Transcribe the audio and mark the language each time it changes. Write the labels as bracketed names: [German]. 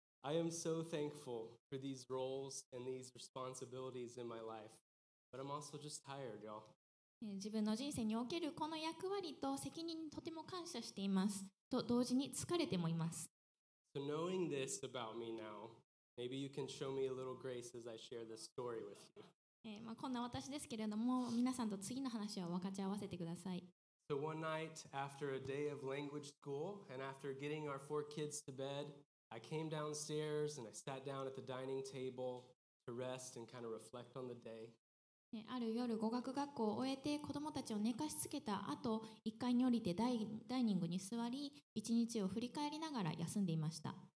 [English] I am so thankful for these roles and these responsibilities in my life, but I'm also just tired, y'all. [Japanese] 自分の人生におけるこの役割と責任にとても感謝していますと同時に疲れてもいます。 [English] So knowing this about me now, maybe you can show me a little grace as I share this story with you. [Japanese] こんな私ですけれども、皆さんと次の話を分かち合わせてください。 [English] So one night after a day of language school and after getting our four kids to bed, I came downstairs and I sat down at the dining table to rest and kind of reflect on the day. [Japanese] ある夜語学学校を終えて子供たちを寝かしつけた後1階に降りてダイニングに座り一日を振り返りながら休んでいました